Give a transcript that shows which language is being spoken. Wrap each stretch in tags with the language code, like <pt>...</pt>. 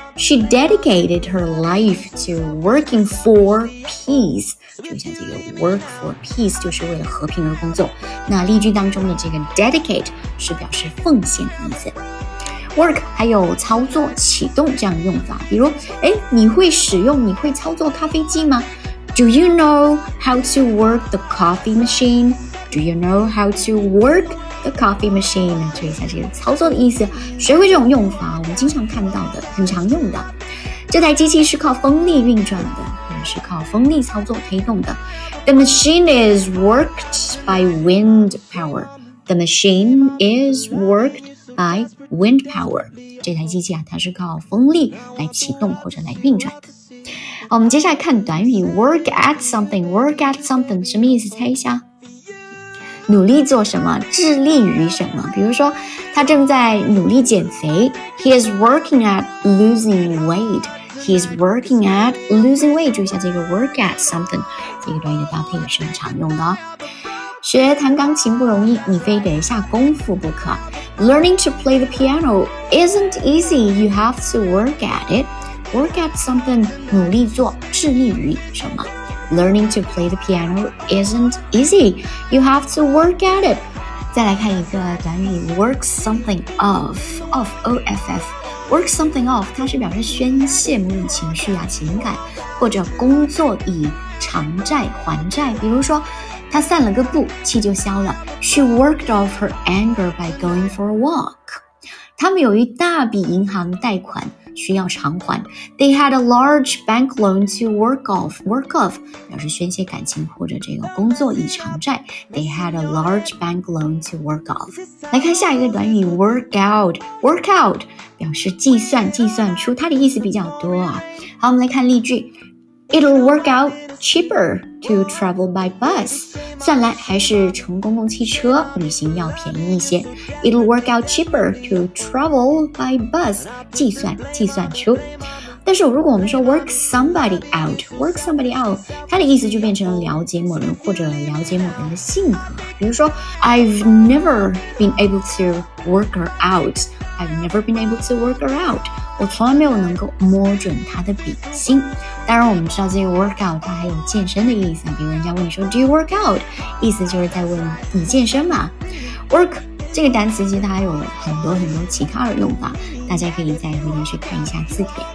<en>She dedicated her life to working for peace。</en> <zh>就像这个 work for peace 就是为了和平而工作。那例句当中的这个 dedicate 是表示奉献的意思。 work 还有操作启动这样的用法，比如你会使用，你会操作咖啡机吗？</zh> <en>Do you know how to work the coffee machine? Do you know how to workThe coffee machine，</en> <zh>注意一下这个操作的意思，学会这种用法，我们经常看到的，很常用的。这台机器是靠风力运转的，是靠风力操作推动的。</zh> <en>The machine is worked by wind power. The machine is worked by wind power.</en> <zh>这台机器它是靠风力来启动或者来运转的。我们接下来看短语 work at something， work at something 什么意思？猜一下。努力做什么，致力于什么，比如说他正在努力减肥，</zh> <en>He is working at losing weight。 He is working at losing weight，</en> <zh>注意一下这个 work at something， 这个短语的搭配也是很常用的。学弹钢琴不容易，你非得下功夫不可。</zh> <en>Learning to play the piano isn't easy, you have to work at it。</en> <zh>Work at something， 努力做，致力于什么。</zh> <en>Learning to play the piano isn't easy. You have to work at it.</en> <zh>再来看一个短语 ,work something off. Off, O-F-F. Work something off, 它是表示宣泄某种情绪啊情感或者工作以偿债还债。比如说她散了个步气就消了。</zh> <en>She worked off her anger by going for a walk.</en> <zh>他们有一大笔银行贷款。需要偿还。</zh> <en>They had a large bank loan to work off.</en> <zh>Work off 表示宣泄感情或者这个工作以偿债。</zh> <en>They had a large bank loan to work off.</en> <zh>来看下一个短语 work out. Work out 表示计算，计算出，它的意思比较多啊。好，我们来看例句。</zh> <en>It'll work out cheaper to travel by bus.</en> <zh>算来还是乘公共汽车旅行要便宜一些。</zh> <en>It'll work out cheaper to travel by bus.</en> <zh>计算，计算出。但是如果我们说 work somebody out， work somebody out， 它的意思就变成了解某人或者了解某人的性格。</zh> <en>比如说 I've never been able to work her out. I've never been able to work her out.</en> <zh>我从来没有能够摸准她的笔芯。当然我们知道这个 work out 它还有健身的意思，比如人家问你说</zh> <en>Do you work out，</en> <zh>意思就是在问你健身嘛。 work这个单词其实它有很多很多其他的用法，大家可以再回头去看一下字典。</zh>